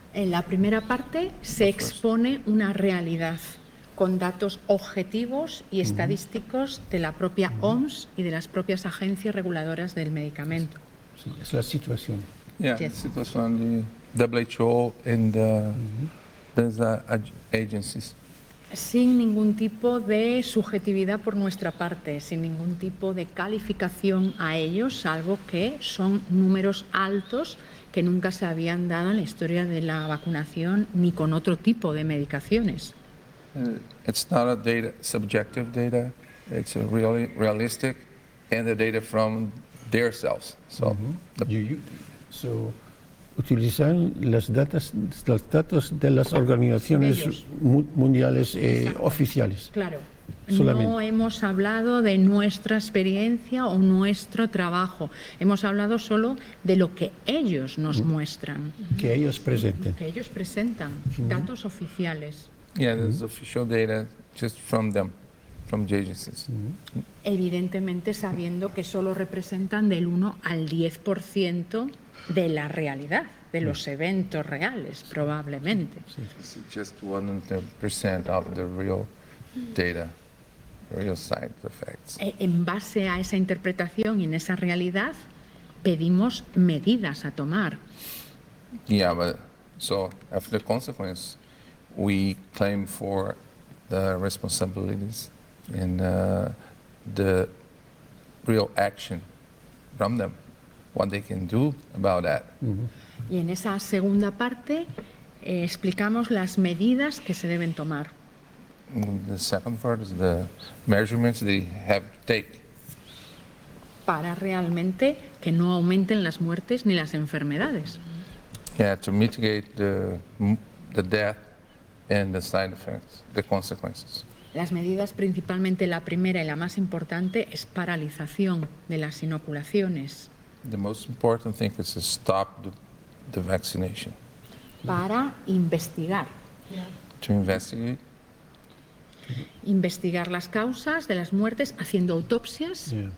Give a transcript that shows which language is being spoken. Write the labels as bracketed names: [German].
[Spanish] En la primera parte se expone una realidad con datos objetivos y estadísticos de la propia OMS y de las propias agencias reguladoras del medicamento. Sí, es la situación. [English] Yeah, yes. The situation, the WHO and the agencies. [Spanish] Sin ningún tipo de subjetividad por nuestra parte, sin ningún tipo de calificación a ellos, salvo que son números altos que nunca se habían dado en la historia de la vacunación ni con otro tipo de medicaciones. [English] It's not a data, subjective data. It's a really realistic, and the data from their selves. So, [Spanish] so utilizan los datos de las organizaciones mundiales oficiales. Claro. Solamente. No hemos hablado de nuestra experiencia o nuestro trabajo. Hemos hablado solo de lo que ellos nos muestran. Que ellos presenten. Que ellos presentan. Datos oficiales. [English] Yeah, there's official data just from them, from the agencies. [Spanish] Evidentemente sabiendo que solo representan del 1 al 10% de la realidad, de los eventos reales, probablemente. [English] Sí. Just 1% of the real data, real side effects. [Spanish] En base a esa interpretación y en esa realidad, pedimos medidas a tomar. [English] Yeah, but so after the consequence, we claim for the responsibilities and the real action from them, what they can do about that. [Spanish] Y en esa segunda parte explicamos las medidas que se deben tomar. [English] The second part is the measurements they have to take. [Spanish] Para realmente que no aumenten las muertes ni las enfermedades. [English] Yeah, to mitigate the the death and the side effects, the consequences. [Spanish] Las medidas, principalmente la primera y la más importante, es paralización de las inoculaciones. [English] The most important thing is to stop the vaccination. [Spanish] Para investigar. [English] To investigate. [Spanish] Investigar las causas de las muertes haciendo autopsias.